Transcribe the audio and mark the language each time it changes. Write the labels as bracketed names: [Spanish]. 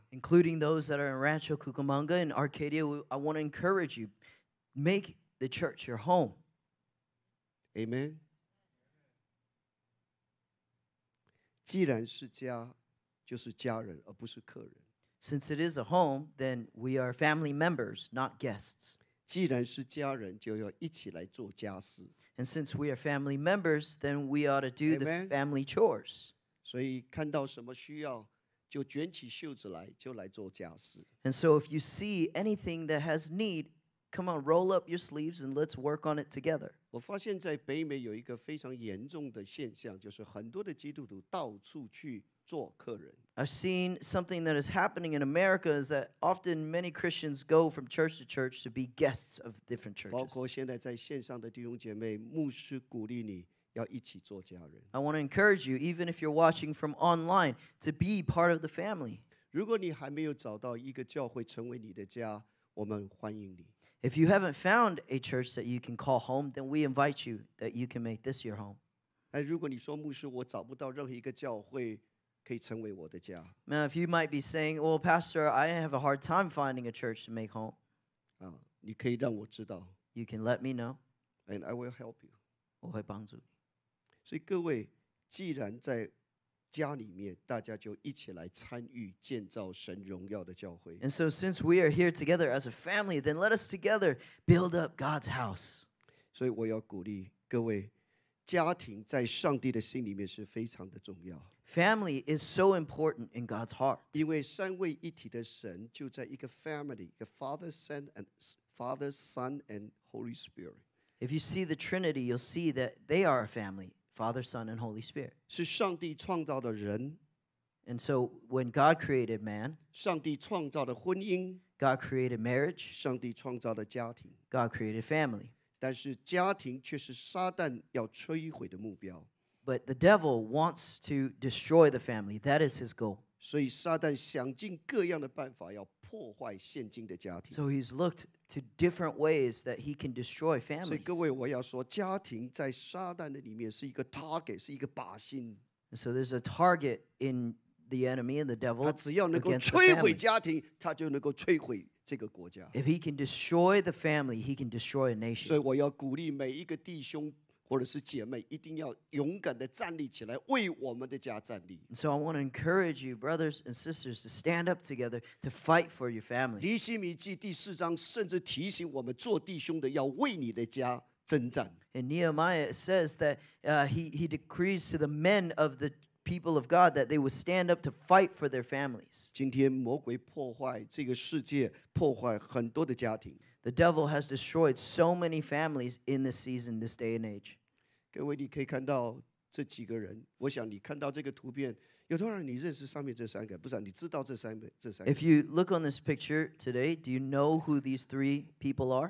[English] Including those that are in Rancho Cucamonga and Arcadia, I want to encourage you, make the church your home. Amen. [Chinese] 既然是家，就是家人，而不是客人。 [English] Since it is a home, then we are family members, not guests. [Chinese] 既然是家人，就要一起来做家事。 [English] And since we are family members, then we ought to do the family chores. [Chinese] 所以看到什么需要，就卷起袖子来，就来做家事。 [English] And so if you see anything that has need, come on, roll up your sleeves and let's work on it together. [Chinese] 我发现在北美有一个非常严重的现象，就是很多的基督徒到处去做客人。 [English] I've seen something that is happening in America is that often many Christians go from church to church to be guests of different churches. [Chinese] 包括现在在线上的弟兄姐妹，牧师鼓励你要一起做家人。 [English] I want to encourage you, even if you're watching from online, to be part of the family. [Chinese] 如果你还没有找到一个教会成为你的家，我们欢迎你。 [English] If you haven't found a church that you can call home, then we invite you that you can make this your home. [Chinese] 但如果你说牧师，我找不到任何一个教会可以成为我的家。 [English] Now, if you might be saying, "Well, Pastor, I have a hard time finding a church to make home." [Chinese] 啊，你可以让我知道。 [English] You can let me know. And I will help you. [Chinese] 我会帮助你。所以各位，既然在家里面，大家就一起来参与建造神荣耀的教会。 [English] And so, since we are here together as a family, then let us together build up God's house. [Chinese] 所以我要鼓励各位，家庭在上帝的心里面是非常的重要。 [English] Family is so important in God's heart. [Chinese] 因为三位一体的神就在一个 [English] family, [Chinese] 一个 [English] Father, Son, and Father, Son, and Holy Spirit. If you see the Trinity, you'll see that they are a family. Father, Son, and Holy Spirit. [Chinese] 是上帝创造的人。 [English] And so when God created man, [Chinese] 上帝创造的婚姻。 [English] God created marriage, [Chinese] 上帝创造的家庭。 [English] God created family. [Chinese] 但是家庭却是撒旦要摧毁的目标。 [English] But the devil wants to destroy the family. That is his goal. [Chinese] 所以撒旦想尽各样的办法要破坏现今的家庭。 [English] So he's looked to different ways that he can destroy families. [Chinese] 所以各位，我要说，家庭在撒旦的里面是一个 target， 是一个靶心。 [English] So there's a target in the enemy and the devil. [Chinese] 他只要能够摧毁家庭，他就能够摧毁这个国家。 [English] If he can destroy the family, he can destroy a nation. [Chinese] 所以我要鼓励每一个弟兄或者是姐妹，一定要勇敢地站立起来，为我们的家站立。 [English] So I want to encourage you, brothers and sisters, to stand up together to fight for your family. [Chinese] 尼希米记第四章甚至提醒我们，做弟兄的要为你的家征战。 [English] And Nehemiah says that he decrees to the men of the people of God that they will stand up to fight for their families. [Chinese] 今天魔鬼破坏这个世界，破坏很多的家庭。 [English] The devil has destroyed so many families in this season, this day and age. [Chinese] 各位，你可以看到这几个人。我想你看到这个图片，有多少人你认识上面这三个？不是，你知道这三个 [English] ？If you look on this picture today, do you know who these three people are?